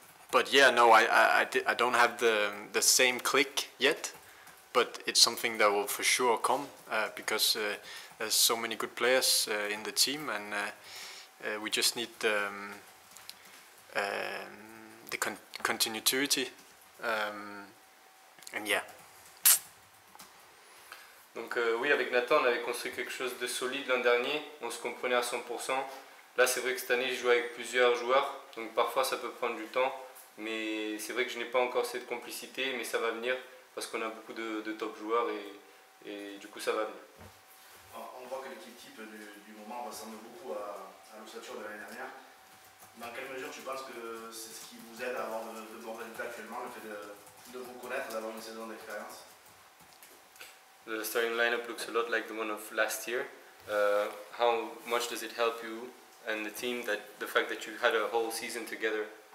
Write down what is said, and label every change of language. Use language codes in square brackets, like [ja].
[en] But yeah, no, I don't have the same click yet, but it's something that will for sure come because there's so many good players in the team, and we just need the continuity, and yeah. [fr] Donc oui, avec Nathan, on avait construit quelque chose de solide l'an dernier, on se comprenait à 100%. Là, c'est vrai que cette année, je joue avec plusieurs joueurs, donc parfois ça peut prendre du temps, mais c'est vrai que je n'ai pas encore cette complicité, mais ça va venir, parce qu'on a beaucoup de top joueurs, et du coup, ça va venir. On voit que l'équipe type du moment ressemble beaucoup à l'ossature de l'année dernière. Dans quelle mesure tu penses que c'est ce qui vous aide à avoir de bons résultats actuellement, le fait de vous connaître, d'avoir une saison d'expérience? [en] The starting lineup looks a lot like the one of last year. How much does it help you and the team that the fact that you had a whole season together?